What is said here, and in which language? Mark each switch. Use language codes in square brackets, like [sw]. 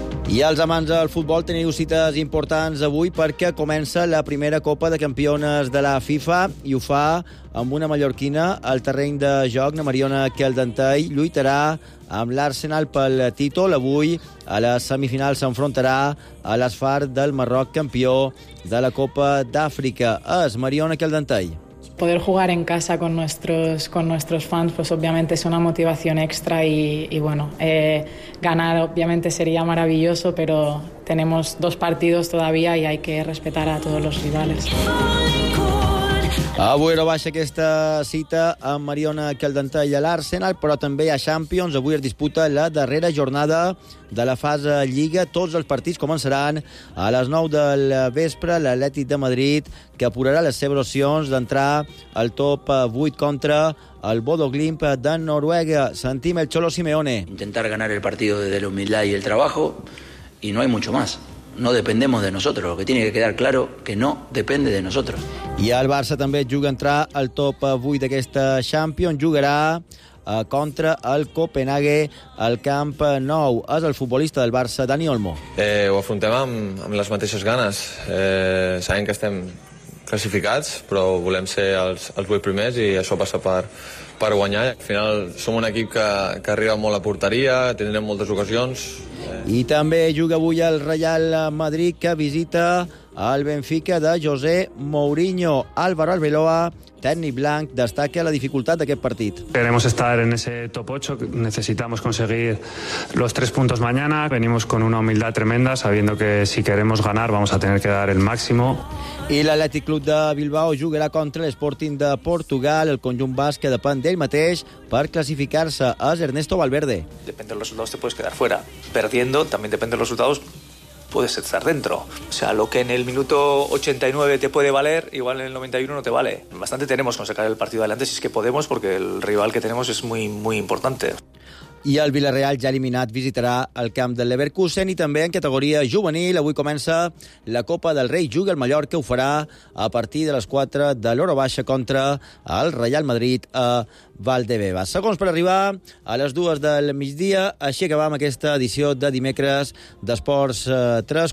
[ca] I els amants del futbol teniu cites importants avui perquè comença la primera Copa de Campiones de la FIFA i ho fa amb una mallorquina al terreny de joc. La Mariona Keldentei lluitarà amb l'Arsenal pel títol. Avui a la semifinal s'enfrontarà a l'Asfar del Marroc, campió de la Copa d'Àfrica. És Mariona Keldentei. [es] Poder jugar en casa con nuestros fans, pues obviamente es una motivación extra y bueno, ganar obviamente sería maravilloso, pero tenemos dos partidos todavía y hay que respetar a todos los rivales. [ca] Avui no baixa aquesta cita amb Mariona Keldentei a l'Arsenal, però també a Champions. Avui es disputa la darrera jornada de la fase Lliga. Tots els partits començaran a les 9 del vespre. L'Atlètic de Madrid, que apurarà les seves opcions d'entrar al top 8 contra el Bodø Glimt de Noruega. Sentim el Cholo Simeone. [es] Intentar ganar el partido desde la humildad y el trabajo, y no hay mucho más. No dependemos de nosotros, lo que tiene que quedar claro que no depende de nosotros. [ca] I el Barça també juga a entrar al top 8 d'aquesta Champions. Jugarà contra el Copenhague al Camp Nou. És el futbolista del Barça, Dani Olmo. Ho afrontem amb les mateixes ganes. Sabem que estem classificats, però volem ser els 8 primers i això passa per guanyar. Al final som un equip que arriba molt a porteria, tindrem moltes ocasions. I també juga avui el Real Madrid, que visita el Benfica de José Mourinho. Álvaro Arbeloa, tècnic blanc, destaca la dificultat d'aquest partit. [es] Queremos estar en ese top 8, necesitamos conseguir los 3 puntos mañana. Venimos con una humildad tremenda, sabiendo que si queremos ganar vamos a tener que dar el máximo. [ca] I l'Atlètic Club de Bilbao jugarà contra l'Sporting de Portugal. El conjunt basc depèn d'ell mateix per classificar-se. És Ernesto Valverde. [es] Depende de los resultados, te puedes quedar fuera. Perdiendo, también depende de los resultados, puedes estar dentro. O sea, lo que en el minuto 89 te puede valer, igual en el 91 no te vale. Bastante tenemos con sacar el partido adelante, si es que podemos, porque el rival que tenemos es muy, muy importante. [ca] I el Villarreal, ja eliminat, visitarà el camp del Leverkusen. I també en categoria juvenil, avui comença la Copa del Rei. Juga el Mallorca, ho farà a partir de les 4 de l'hora baixa contra el Real Madrid a Valdebebas. Segons per arribar a les 2 del migdia, així acabam aquesta edició de dimecres d'Esports 3.